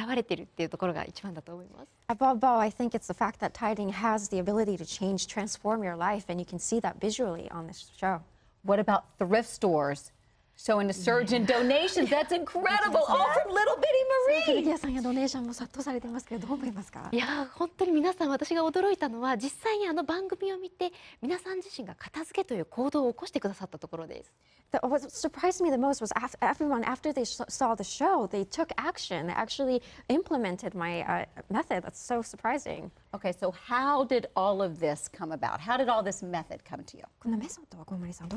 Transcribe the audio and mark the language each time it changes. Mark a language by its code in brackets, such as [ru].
[ja] どうしてこんなに人々の心に響いているんだと思いますか?何よりも、この片付け自身がこう人生を変えていくっていうところがこう映像として、よく現れているっていうところが一番だと思います。 [en] Above all, I think it's the fact that tidying has the ability to change, transform your life, and you can see that visually on this show. What about thrift stores? So in a surge in donations, that's incredible. All from little bitty Marie. [ja] メディアさんやドネーションも殺到されていますけど、どう思いますか?いや、本当に皆さん、私が驚いたのは、実際にあの番組を見て、皆さん自身が片付けという行動を起こしてくださったところです。 [en] What surprised me the most was everyone after they saw the show, they took action. They actually implemented my method. That's so surprising. Okay, so how did all of this come about? How did all this method come to you?